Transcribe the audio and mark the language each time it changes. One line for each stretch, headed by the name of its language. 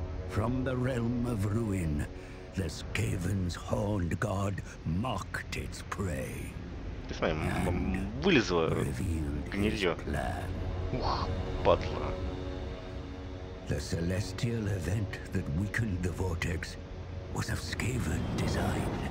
English: From the realm of ruin, the Skaven's horned god mocked its prey.
Russian: Ты смотри, вылезла гнильё. Ух, падла.
English: The celestial event that weakened the vortex was of Skaven design.